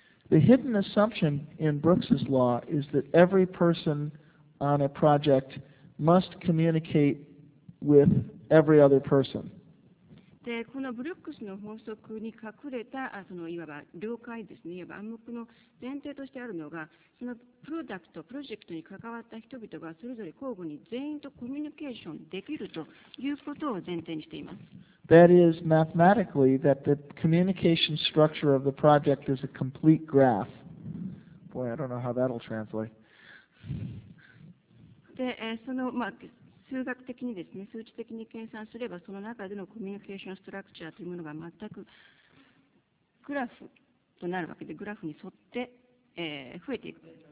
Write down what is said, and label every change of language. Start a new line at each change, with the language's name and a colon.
English: The hidden assumption in Brooks's law is that every person on a project must communicate with every other person.
Japanese: でこのブルックスの法則に隠れたそのいわば了解ですね、いわば暗黙の前提としてあるのが、そのプロダクト、プロジェクトに関わった人々がそれぞれ交互に全員とコミュニケーションできるということを前提にしています。
English: That is mathematically that the communication structure of the project is a complete graph. Boy, I don't know how that'll translate.
Japanese: で、その、まあ数学的にですね、数値的に計算すれば、その中でのコミュニケーションストラクチャーというものが全くグラフとなるわけで、グラフに沿って、増えていく。